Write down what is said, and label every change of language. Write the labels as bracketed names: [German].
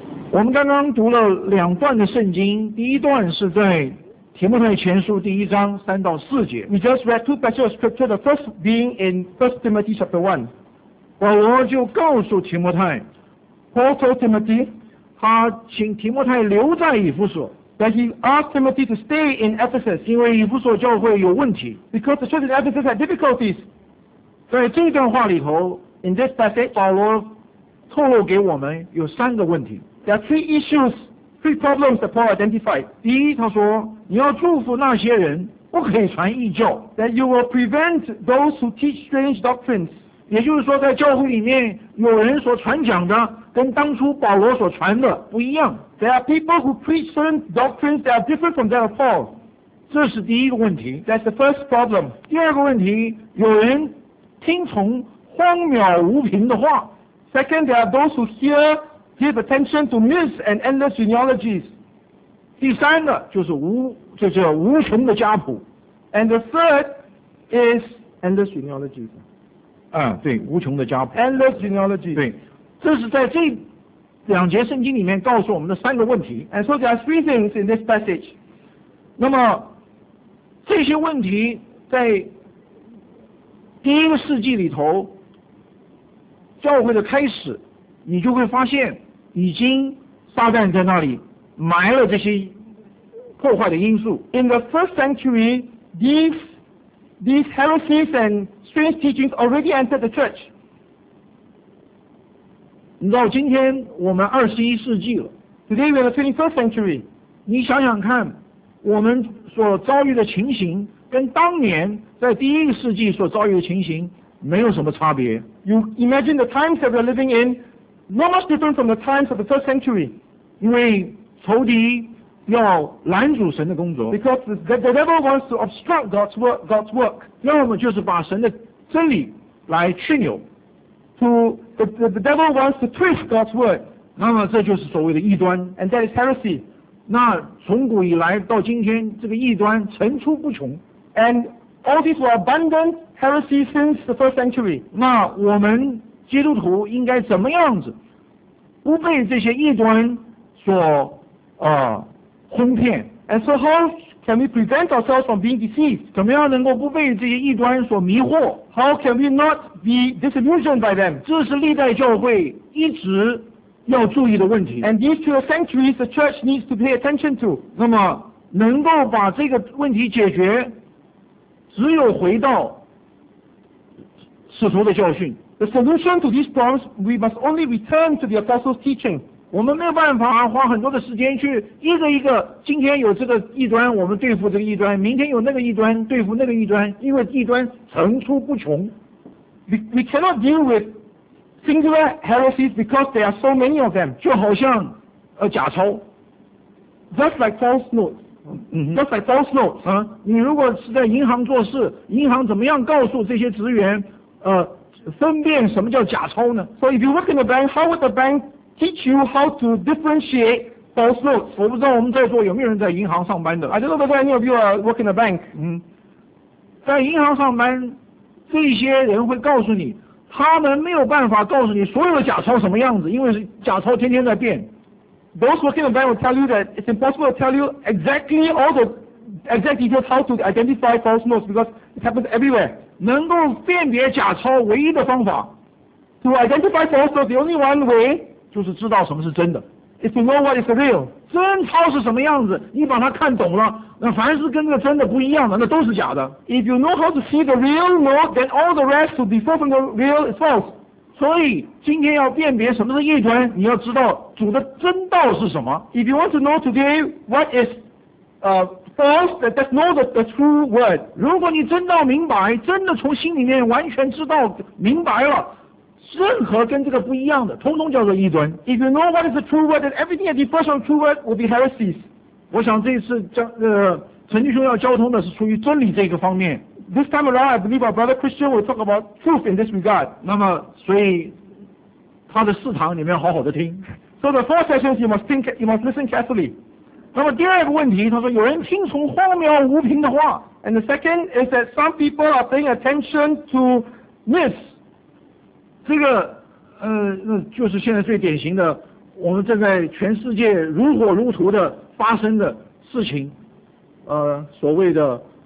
[Chinese] 我们刚刚读了两段的圣经，第一段是在提摩太前书第一章三到四节。 [English] We just read two passages of scripture. The first being in 1 Timothy chapter 1. [Chinese] 保罗就告诉提摩太 [English] Paul told Timothy [Chinese] 他请提摩太留在以弗所 [English] That he asked Timothy to stay in Ephesus [Chinese] 因为以弗所教会有问题 [English] Because the church in Ephesus had difficulties [Chinese] 在这段话里头 [English] In this passage [Chinese] 保罗透露给我们有三个问题 [English] There are three issues Three problems that Paul identified [Chinese] 第一他说你要祝福那些人不可以传异教 [English] That you will prevent those who teach strange doctrines [Chinese] 也就是说在教会里面有人所传讲的跟当初保罗所传的不一样 [English] There are people who preach certain doctrines that are different from that of Paul [Chinese] 这是第一个问题 [English] That's the first problem [Chinese] 第二个问题有人听从荒谬无凭的话 [English] Second, there are those who hear give attention to myths and endless genealogies [Chinese] 第三个就是无穷的家谱 [English] And the third is endless genealogies [Chinese] 对无穷的家谱 [English] Endless genealogy [Chinese] 对这是在这两节圣经里面告诉我们的三个问题 [English] And so there are three things in this passage [Chinese] 那么这些问题在第一个世纪里头教会的开始你就会发现已经撒旦在那里埋了这些破坏的因素 [English] In the first century these heresies andStrange teachings already entered the church. [Chinese] 你知道今天我们二十一世纪了。 [English] Today we are the 21st century. [Chinese] 你想想看，我们所遭遇的情形跟当年在第一个世纪所遭遇的情形没有什么差别。 [English] You imagine the times that we are living in, not much different from the times of the first century. [Chinese] 因为仇敌要拦阻神的工作 [English] Because the devil wants to obstruct God's work [Chinese] 要么就是把神的真理来去扭 [English] the devil wants to twist God's word [Chinese] 那么这就是所谓的异端。 [English] And that is heresy. [Chinese] 那从古以来到今天，这个异端层出不穷。 [English] And all these were abundant heresies since the first century. [Chinese] 那我们基督徒应该怎么样子，不被这些异端所哄骗？ [English] And so how can we prevent ourselves from being deceived? [Chinese] 怎么样能够不被这些异端所迷惑？ [English] How can we not be disillusioned by them? [Chinese] 这是历代教会一直要注意的问题。 [English] And these two centuries the church needs to pay attention to. [Chinese] 那么能够把这个问题解决，只有回到使徒的教训。 [English] The solution to these problems, we must only return to the apostles' teaching. [Chinese] 我们没有办法花很多的时间去一个一个，今天有这个异端，我们对付这个异端；明天有那个异端，对付那个异端，因为异端层出不穷。 [English] We cannot deal with singular heresies because there are so many of them. [Chinese] 就好像假钞 [English] ，just like false notes. Just like false notes. [Chinese] 你如果是在银行做事，银行怎么样告诉这些职员，分辨什么叫假钞呢 [English] ？So if you work in a bank, how would the bank teach you how to differentiate false notes? [Chinese] 我不知道我们在座有没有人在银行上班的。 [English] I don't know whether any of you are working a bank. [Chinese] 在银行上班，这些人会告诉你，他们没有办法告诉你所有的假钞什么样子，因为假钞天天在变。 [English] Those working in the bank will tell you that it's impossible to tell you exactly all the exact details how to identify false notes because it happens everywhere. [Chinese] 能够辨别假钞唯一的方法 [English] to identify false notes, the only one way [Chinese] 就是知道什么是真的 [English] is to know what is the real. [Chinese] 真钞是什么样子，你把它看懂了，那凡是跟那个真的不一样的，那都是假的。 [English] If you know how to see the real note, then all the rest to differ from the real is false. [Chinese] 所以今天要辨别什么是异端，你要知道主的真道是什么。 [English] If you want to know today what is false, then just know the true word. [Chinese] 如果你真道明白，真的从心里面完全知道明白了，任何跟这个不一样的，通通叫做异端。 [English] If you know what is the true word, then everything that differs from true word will be heresies. [Chinese] 我想这一次陈弟兄要交通的是出于真理这个方面。 [English] This time around, I believe our brother Christian will talk about truth in this regard. [Chinese] 那么，所以他的四堂你们要好好的听。 [English] So the four sessions you must think, you must listen carefully. [Chinese] 那么第二个问题，他说有人听从荒谬无凭的话。 [English] And the second is that some people are paying attention to myths. [Chinese] 这个就是现在最典型的，我们正在全世界如火如荼的发生的事情，所谓的。